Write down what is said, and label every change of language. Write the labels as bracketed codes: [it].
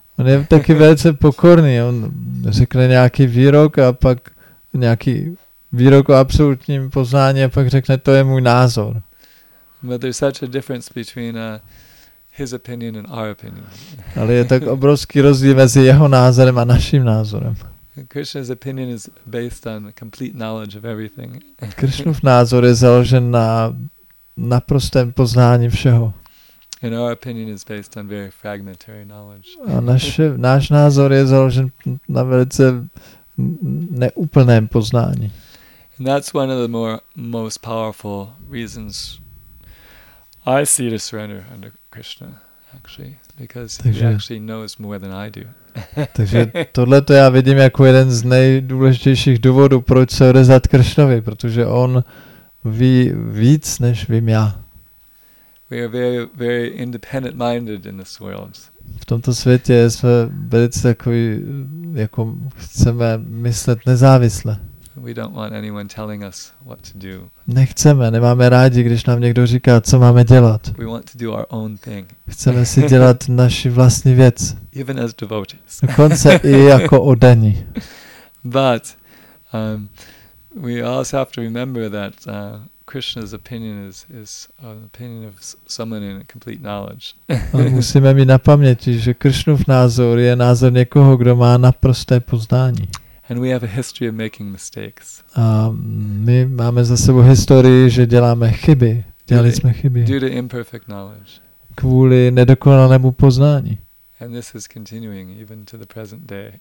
[cs] On je taky velice pokorný. On řekne nějaký výrok a pak nějaký výrok o absolutním poznání a pak řekne, to je můj názor. [en] But there's such a difference between his opinion and our opinion. [cs] Ale je tak obrovský rozdíl mezi jeho názorem a naším názorem. [en] Krishna's opinion is based on complete knowledge of everything. [cs] Krishnův názor je založen na naprostém poznání všeho. [en] And our opinion is based on very fragmentary knowledge. [cs] A náš názor je založen na velice neúplném poznání. [en] And that's one of the most powerful reasons I see to surrender under Krishna, actually, because he actually knows more than I do. [cs] Takže tohle to já vidím jako jeden z nejdůležitějších důvodů, proč se odezvat Krishnovi, protože on ví víc, než vím já. [en] We are very, very independent-minded in this world. [cs] V tomto světě jsme velice takový, jako chceme myslet nezávisle. [en] We don't want anyone telling us what to do. [cs] Nechceme, nemáme rádi, když nám někdo říká, co máme dělat. [en] We want to do our own thing. [cs] Chceme si dělat naši vlastní věc. [en] Even as devotees. [cs] Dokonce i jako oddaní. [en] But we also have to remember that Krishna's opinion is an opinion of someone in complete knowledge. [cs] Musíme mít na paměti, že Krishnův názor je názor někoho, kdo má naprosté poznání. [en] And we have a history of making mistakes. [cs] My máme za sebou historii, že děláme chyby. Dělali jsme chyby. [en] Due to imperfect knowledge. [cs] Kvůli nedokonalému poznání. [en] And this is continuing even to the present day.